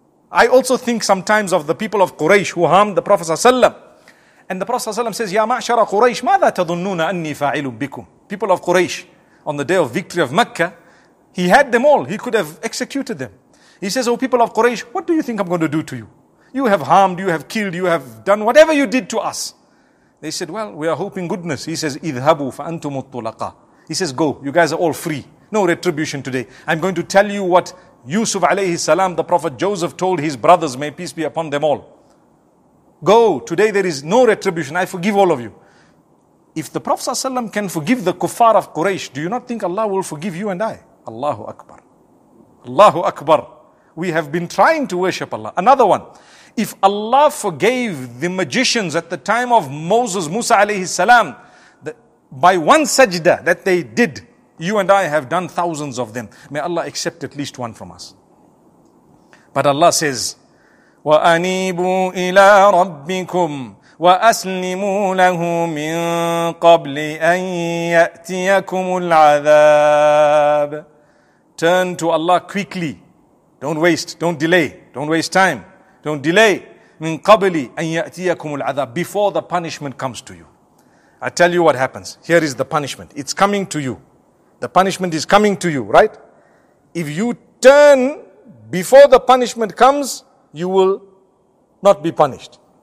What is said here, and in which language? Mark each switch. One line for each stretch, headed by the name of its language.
English: I also think sometimes of the people of Quraysh who harmed the Prophet ﷺ. And the Prophet ﷺ says, Ya ma'shara Quraysh,
Arabic: ماذا تظنون أني فاعل بكم?
English: People of Quraysh, on the day of victory of Mecca, he had them all. He could have executed them. He says, Oh people of Quraysh, what do you think I'm going to do to you? You have harmed, you have killed, you have done whatever you did to us. They said, Well, we are hoping goodness. He says,
Arabic: اذهبوا فأنتم الطلقاء.
English: He says, Go, you guys are all free. No retribution today. I'm going to tell you what Yusuf alayhi salam, the Prophet Joseph, told his brothers, may peace be upon them all. Go, today there is no retribution. I forgive all of you. If the Prophet sallam can forgive the kuffar of Quraysh, do you not think Allah will forgive you and I? Allahu Akbar. Allahu Akbar. We have been trying to worship Allah. Another one. If Allah forgave the magicians at the time of Moses, Musa alayhi salam, by one sajda that they did, you and I have done thousands of them. May Allah accept at least one from us.
Arabic: But Allah says, وَأَنِيبُوا إِلَىٰ رَبِّكُمْ وَأَسْلِمُوا لَهُ مِن قَبْلِ أَن يَأْتِيَكُمُ الْعَذَابِ
English: Turn to Allah quickly. Don't waste, don't delay, don't waste time, don't delay.
Arabic: مِن قَبْلِ أَن يَأْتِيَكُمُ الْعَذَابِ
English: Before the punishment comes to you. I tell you what happens. Here is the punishment. It's coming to you. The punishment is coming to you, right? If you turn before the punishment comes, you will not be punished.